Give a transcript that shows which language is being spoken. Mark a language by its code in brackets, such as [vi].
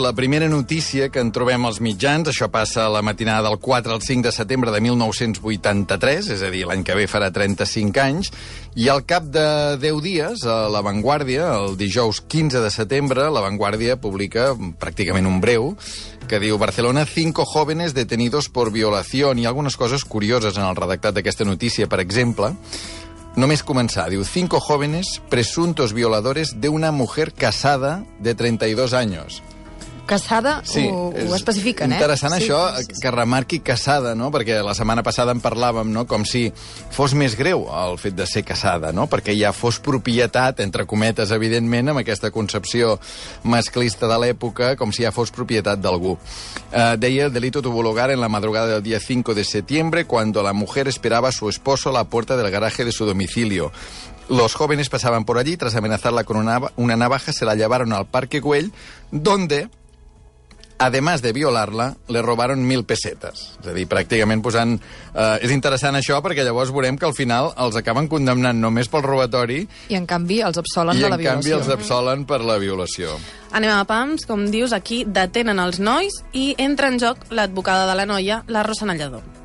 [ca] La primera notícia que en trobem als mitjans, això passa a la matinada del 4 al 5 de setembre de 1983, és a dir, l'any que ve farà 35 anys, i al cap de 10 dies, a La Vanguardia, el dijous 15 de setembre, La Vanguardia publica pràcticament un breu que diu [es] Barcelona, 5 jóvenes detenidos por violación. [ca] Hi ha algunes coses curioses en el redactat d'aquesta notícia, per exemple. Només començar, diu, [es] 5 jóvenes presuntos violadores de una mujer casada de 32 años. [ca] Casada? Sí, ho especifiquen, eh? Interessant, sí, això, sí, sí. Que remarqui casada, no? Perquè la setmana passada en parlàvem, no? Com si fos més greu el fet de ser casada, no? Perquè ja fos propietat, entre cometes, evidentment, amb aquesta concepció masclista de l'època, com si ja fos propietat d'algú. Deia, [es] el delito tuvo lugar en la madrugada del día 5 de septiembre, cuando la mujer esperaba a su esposo a la puerta del garaje de su domicilio. Los jóvenes pasaban por allí, tras amenazarla con una navaja, se la llevaron al Parque Güell, donde... Además de violar-la, le robaron 1.000 pesetas. [ca] És a dir, pràcticament posant... És interessant això, perquè llavors veurem que al final els acaben condemnant només pel robatori... I en canvi els absolen de la violació. I en canvi els absolen per la violació. Anem a PAMS, com dius, aquí detenen els nois i entra en joc l'advocada de la noia, la Rosa Natlladó.